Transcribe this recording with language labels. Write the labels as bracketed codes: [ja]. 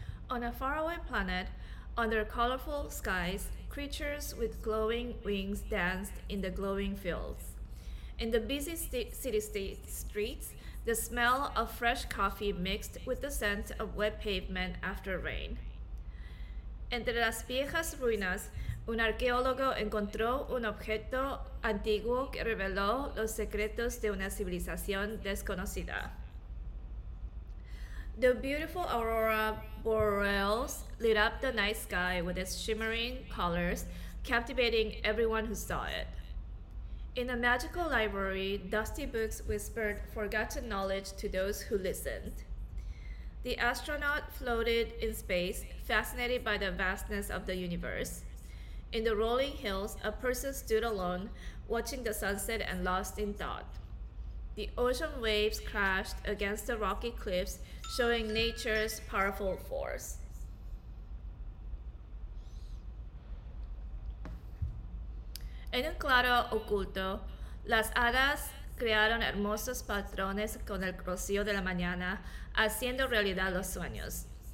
[en] On a faraway planet, under colorful skies, creatures with glowing wings danced in the glowing fields. In the busy city streets, the smell of fresh coffee mixed with the scent of wet pavement after rain. [es] Entre las viejas ruinas, un arqueólogo encontró un objeto antiguo que reveló los secretos de una civilización desconocida. [en] The beautiful aurora borealis lit up the night sky with its shimmering colors, captivating everyone who saw it. In a magical library, dusty books whispered forgotten knowledge to those who listened. The astronaut floated in space, fascinated by the vastness of the universe. In the rolling hills, a person stood alone, watching the sunset and lost in thought. The ocean waves crashed against the rocky cliffs, showing nature's powerful force. [es] En un claro oculto, las hadas crearon hermosos patrones con el rocío de la mañana, haciendo realidad los sueños.